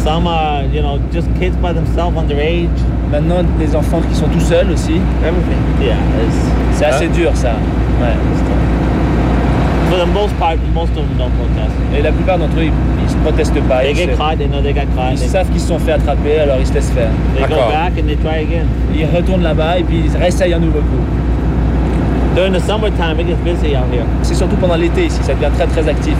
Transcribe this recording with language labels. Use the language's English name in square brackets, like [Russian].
[English] Some are, you know, just kids by themselves, underage. [French] Maintenant, des enfants qui sont tout seuls aussi. [English] Everything. Yeah, [French] c'est assez dur, ça. Ouais. [English] For the most part, most of them don't protest. [French] Et la plupart d'entre eux, ils ne protestent pas. Ils savent qu'ils se sont fait attraper, alors ils se laissent faire. [English] They go back and they try again. [French] Ils retournent là-bas et puis ils réessayent un nouveau coup. [English] During the summertime, it gets busy out here. [French] C'est surtout pendant l'été ici, ça devient très très actif.